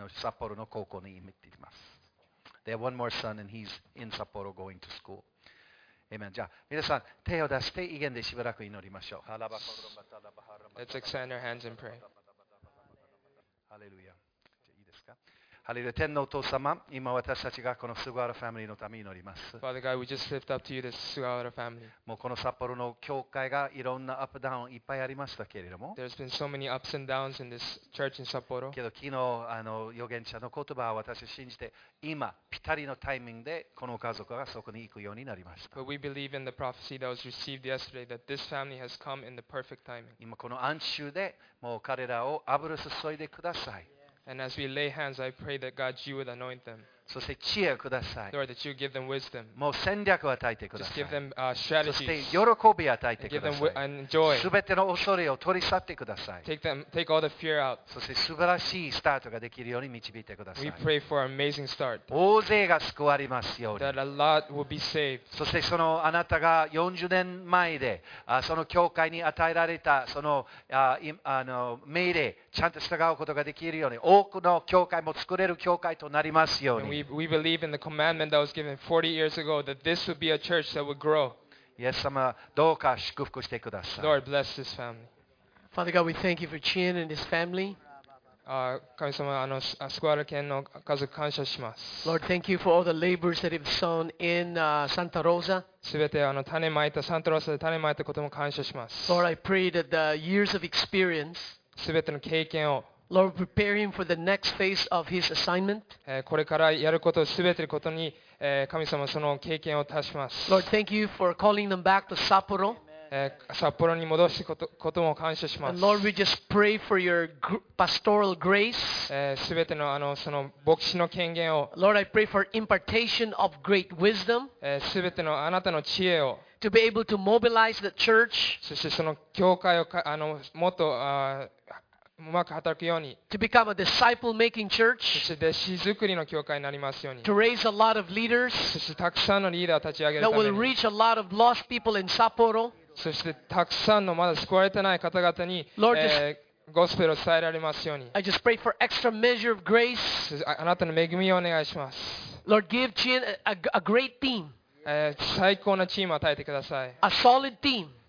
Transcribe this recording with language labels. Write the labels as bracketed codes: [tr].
[ja] 札幌の高校に行っています。 [en] They have one more son and he's in Sapporo going to school. Amen. [ja] じゃあ皆さん手を出して異言でしばらく祈りましょう。 [en] Let's extend our hands and pray. [ja] ハレルヤ。じゃあいいですか。ハレルヤ。天のお父様、今私たちがこのスガワラファミリーのために祈ります。 [en] Father God, we just lift up to you this Sugawara family. [ja] もうこの札幌の教会がいろんなアップダウンいっぱいありましたけれども。 [en] There's been so many ups and downs in this church in Sapporo. [ja] けど昨日預言者の言葉は私信じて、今ピタリのタイミングでこの家族がそこに行くようになりました。 [en] But we believe in the prophecy that was received yesterday that this family has come in the perfect timing. [ja] 今この安宿で。もう彼らを油注いでください。 [en] And as we lay hands, I pray that God, you would anoint them. [ja] そして知恵をください。 [en] Lord, that you give them wisdom. [ja] もう戦略を与えてください。 [en] Just give them strategies. [ja] そして喜びを与えてください。 [en] And give them joy. [ja] すべての恐れを取り去ってください。 [en] Take all the fear out. [ja] そして素晴らしいスタートができるように導いてください。 [en] We pray for an amazing start. [ja] 大勢が救われますように。 [en] That a lot will be saved. [ja] そしてそのあなたが40年前でその教会に与えられたその命令ちゃんと従うことができるように多くの教会も作れる教会となりますように。 [en] We believe in the commandment that was given 40 years ago that this would be a church that would grow. [ja] イエス様どうか祝福してください。 [en] Lord, bless this family. Father God, we thank you for Chien and his family. [ja] 神様、あの、スクワラ県の家族感謝します。 [en] Lord, thank you for all the labors that have sown in Santa Rosa. [ja] すべてあの種まいた、サンタロサで種まいたことも感謝します。 [en] Lord, I pray that the years of experience. [ja] すべての経験を。 [en] Lord, prepare him for the next phase of his assignment. [ja] これからやることすべてのことに、神様その経験を足します。 [en] Lord, thank you for calling them back to Sapporo. [ja] 札幌に戻すことも感謝します。 [en] And Lord, we just pray for your pastoral grace. [ja] すべてのあのその牧師の権限を。 [en] Lord, I pray for impartation of great wisdom. [ja] すべてのあなたの知恵を。 [en] To be able to mobilize the church. [ja] そしてその教会をあのもっと。うまく働くように。 [en] To become a disciple-making church. [ja] そして弟子作りの教会になりますように。 [en] To raise a lot of leaders. [ja] そしてたくさんのリーダーを立ち上げるために。 [en] That will reach a lot of lost people in Sapporo. [ja] そしてたくさんのまだ救われてない方々に、 [en] Lord, [ja] ゴスペルを伝えられますように。 [en] I just pray for extra measure of grace. [ja] あなたの恵みをお願いします。 [en] Lord, give Chien a great team. [ja] 最高のチームを与えてください。 [en] A solid team.